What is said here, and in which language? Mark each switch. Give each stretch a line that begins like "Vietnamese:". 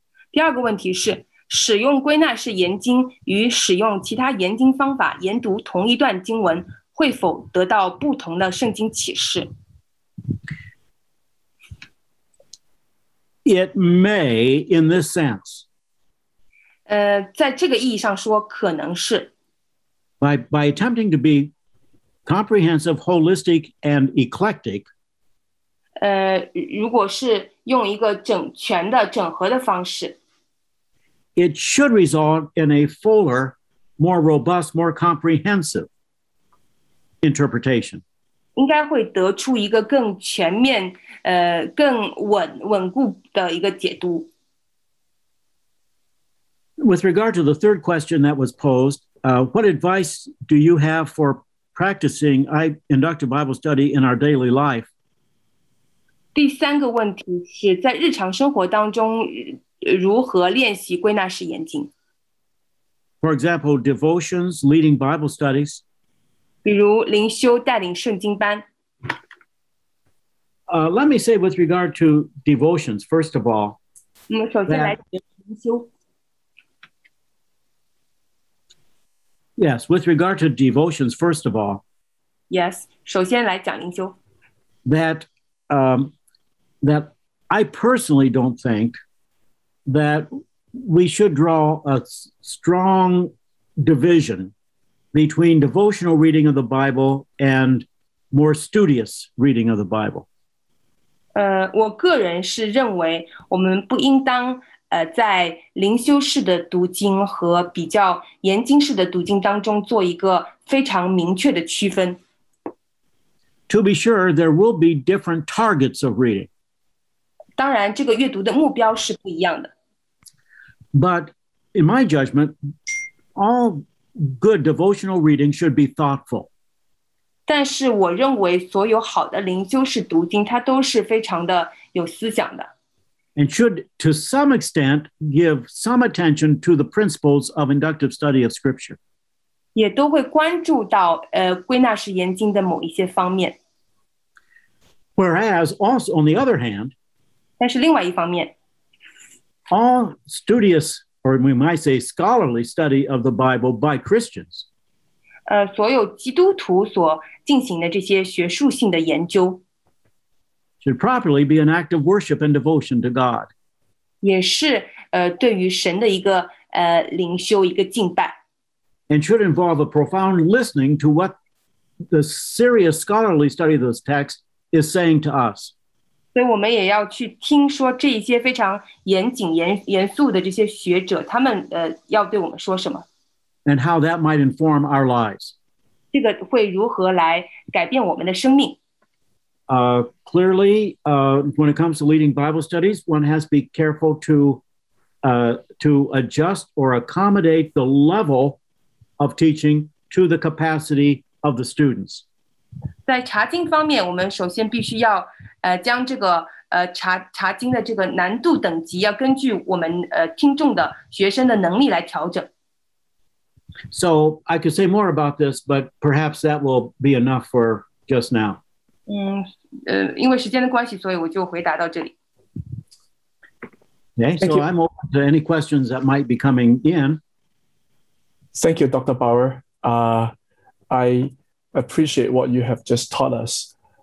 Chinese: 第二个问题是，使用归纳式研经与使用其他研经方法研读同一段经文，会否得到不同的圣经启示？
English: It may in this sense.
Chinese: 在这个意义上说，可能是。
English: By attempting to be comprehensive, holistic, and eclectic.
Chinese: 如果是用一个整全的、整合的方式。
English: It should result in a fuller, more robust, more comprehensive interpretation.
Chinese: 应该会得出一个更全面、更稳固的一个解读。
English: With regard to the third question that was posed, what advice do you have for practicing inductive Bible study in our daily life?
Chinese: 第三个问题是在日常生活当中如何练习归纳式研经?
English: For example, devotions, leading Bible studies.
Chinese: 比如灵修带领圣经班。
English: Let me say with regard to devotions, first of all.
Chinese: 首先来灵修。
English: Yes, with regard to devotions, first of all.
Chinese: Yes, 首先来讲灵修。
English: That I personally don't think that we should draw a strong division between devotional reading of the Bible and more studious reading of the Bible.
Chinese: 我个人是认为我们不应当在灵修式的读经和比较研经式的读经当中做一个非常明确的区分。
English: To be sure, there will be different targets of reading.
Chinese: 当然，这个阅读的目标是不一样的。
English: But in my judgment, all good devotional reading should be thoughtful.
Chinese: 但是我认为所有好的灵修式读经，它都是非常的有思想的。
English: And should, to some extent, give some attention to the principles of inductive study of Scripture.
Chinese: 也都会关注到归纳式研经的某一些方面。
English: Whereas, also on the other hand,
Chinese: 但是另外一方面。
English: All studious, or we might say scholarly study of the Bible by Christians.
Chinese: 所有基督徒所进行的这些学术性的研究
English: should properly be an act of worship and devotion to God.
Chinese: 也是对于神的一个灵修一个敬拜
English: And should involve a profound listening to what the serious scholarly study of this text is saying to us.
Chinese: 所以我们也要去听说这些非常严谨严肃的这些学者他们要对我们说什么
English: And how that might inform our lives
Chinese: 这个会如何来改变我们的生命
English: Clearly, when it comes to leading Bible studies, one has to be careful to adjust or accommodate the level of teaching to the capacity of the students.
Chinese: 在查经方面，我们首先必须要将这个查经的这个难度等级要根据我们听众的学生的能力来调整。
English: So I could say more about this, but perhaps that will be enough for just now.
Chinese: 因为时间的关系，所以我就回答到这里。
English: Okay, so I'm open to any questions that might be coming in. Thank you, Dr. Bauer. I appreciate what you have just taught us.